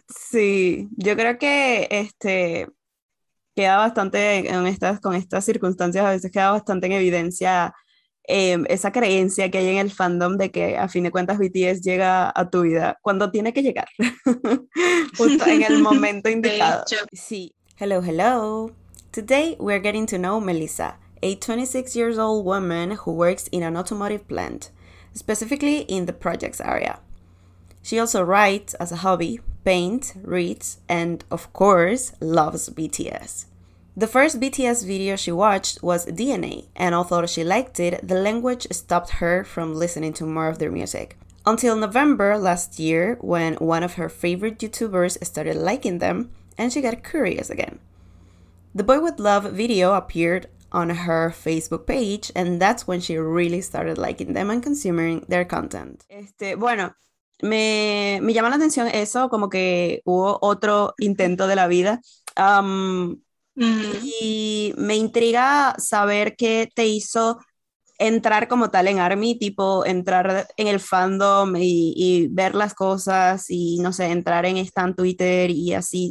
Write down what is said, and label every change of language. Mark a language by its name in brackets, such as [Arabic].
[Spanish] Sí, yo creo que queda bastante con estas circunstancias, a veces queda bastante en evidencia esa creencia que hay en el fandom de que a fin de cuentas BTS llega a tu vida cuando tiene que llegar, justo en el momento indicado. Sí. [English] Hello, hello. Today we're getting to know Melissa, a 26-year-old woman who works in an automotive plant, specifically in the projects area. She also writes as a hobby, paints, reads, and of course, loves BTS. The first BTS video she watched was DNA, and although she liked it, the language stopped her from listening to more of their music. Until November last year, when one of her favorite YouTubers started liking them, and she got curious again. The Boy With Love video appeared on her Facebook page, and that's when she really started liking them and consuming their content. [Spanish] Bueno, me llama la atención eso, como que hubo otro intento de la vida. Y me intriga saber qué te hizo entrar como tal en ARMY, tipo entrar en el fandom y ver las cosas y, no sé, entrar en Stan Twitter y así.